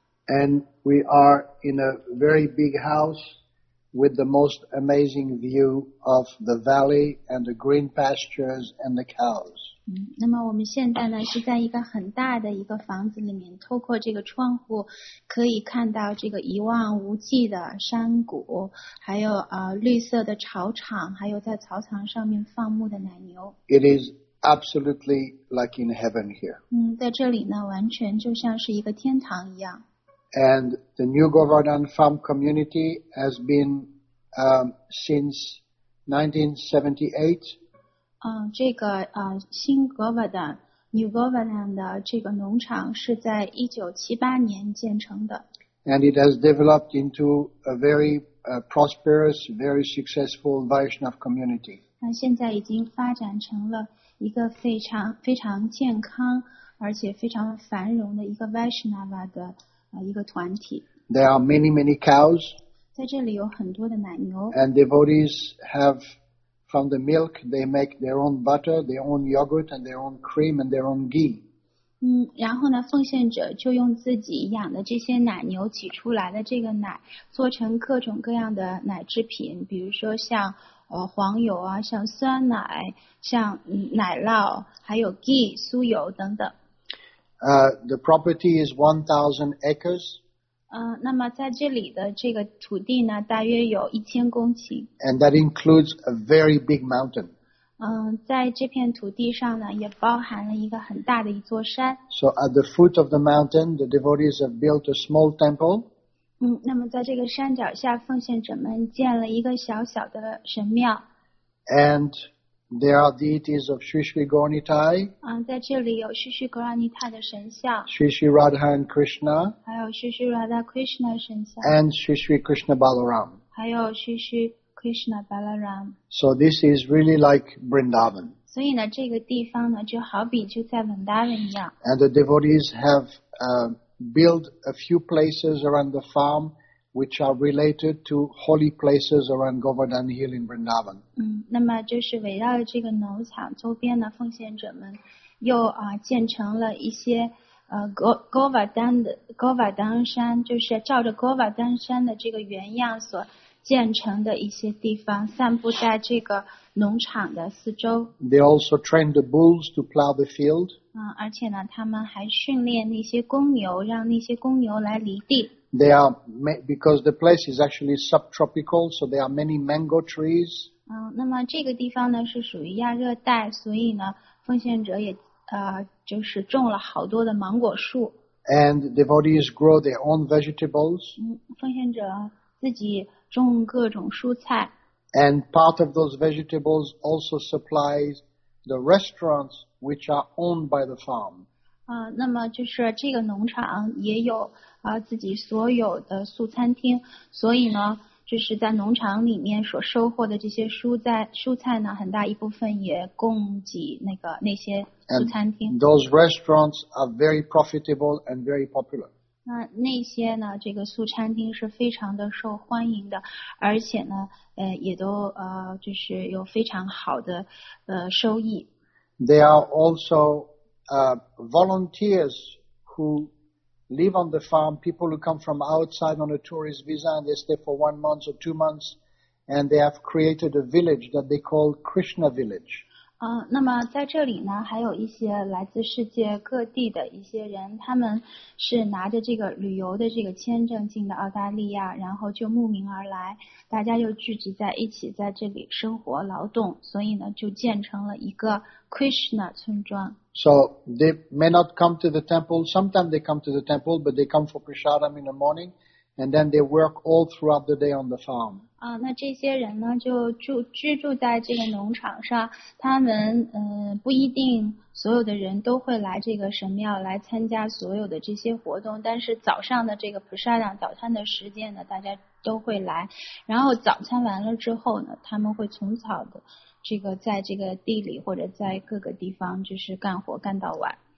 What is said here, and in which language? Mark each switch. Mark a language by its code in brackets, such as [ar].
[en] And we are in a very big house with the most amazing view of the valley and the green pastures and the cows. [zh] 那么我们现在呢是在一个很大的一个房子里面，透过这个窗户可以看到这个一望无际的山谷，还有绿色的草场，还有在草场上面放牧的奶牛。 [en] It is. Absolutely like in heaven here. [zh] 在这里呢，完全就像是一个天堂一样。 [en] And the New Govardhan Farm Community has been since 1978. [zh] 新 Govardhan, New Govardhan 的这个农场是在1978年建成的。 [en] And it has developed into a very prosperous, very successful Vaishnav community. [zh] 那现在已经发展成了。一个非常非常健康而且非常繁荣的一个 Vaishnava 的一个团体。 [en] There are many, many cows. [zh] 在这里有很多的奶牛。 [en] And devotees have, from the milk, they make their own butter, their own yogurt, and their own cream, and their own ghee. [zh] 然后呢奉献者就用自己养的这些奶牛挤出来的这个奶做成各种各样的奶制品，比如说像黄油啊，像酸奶，像奶酪，还有 ghee 酥油等等。 [en] The property is 1,000 acres. [zh] 那么在这里的这个土地呢，大约有1000公顷。 [en] And that includes a very big mountain. [zh] 在这片土地上呢，也包含了一个很大的一座山。 [en] So at the foot of the mountain, the devotees have built a small temple. [zh] 那么在这个山脚下奉献者们建了一个小小的神庙。 [en] And there are deities of Sri Sri Gauranitai. [zh] 在这里有 Sri Sri Gauranitai 的神像。 [en] Sri Sri Radha and Krishna. [zh] 还有 Sri Sri Radha Krishna 神像。 [en] And Sri Sri Krishna Balaram. [zh] 还有 Sri Sri Krishna Balaram. [en] So this is really like Vrindavan. [zh] 所以呢这个地方呢就好比就在 Vrindavan 一样。 [en] And the devotees have,build a few places around the farm which are related to holy places around Govardhan Hill in Vrindavan. [zh] 那么就是围绕这个农场周边的奉献者们又建成了一些Govardhan 山，就是照着 Govardhan 山的这个原样所建成的一些地方，散布在这个农场的四周。 [en] They also train the bulls to plow the field. [zh] 而且呢，他们还训练那些公牛，让那些公牛来犁地。 [en] They are because the place is actually subtropical, so there are many mango trees. [zh] 那么这个地方呢是属于亚热带，所以呢，奉献者也就是种了好多的芒果树。 [en] And devotees grow their own vegetables. [zh] 奉献者自己种各种蔬菜。 [en] And part of those vegetables also supplies the restaurants which are owned by the farm. [zh] 那么就是这个农场也有自己所有的素餐厅，所以呢，就是在农场里面所收获的这些蔬菜呢，很大一部分也供给那些素餐厅。 [en] And those restaurants are very profitable and very popular. [zh] 那些呢，这个素餐厅是非常的受欢迎的，而且呢，也都就是有非常好的收益。 [en] They are also volunteers who live on the farm, people who come from outside on a tourist visa and they stay for 1 month or 2 months, and they have created a village that they call Krishna Village. [zh] 那么在这里呢，还有一些来自世界各地的一些人，他们是拿着这个旅游的这个签证进的澳大利亚，然后就慕名而来，大家就聚集在一起在这里生活劳动，所以呢，就建成了一个 Krishna 村庄。 [en] So they may not come to the temple. Sometimes they come to the temple, but they come for prasadam in the morning, and then they work all throughout the day on the farm. [zh] 那这些人呢，就居住在这个农场上。他们不一定所有的人都会来这个神庙来参加所有的这些活动，但是早上的这个prasadam早餐的时间呢，大家都会来。然后早餐完了之后呢，他们会从早的。这个在这个地里或者在各个地方就是干活干到晚。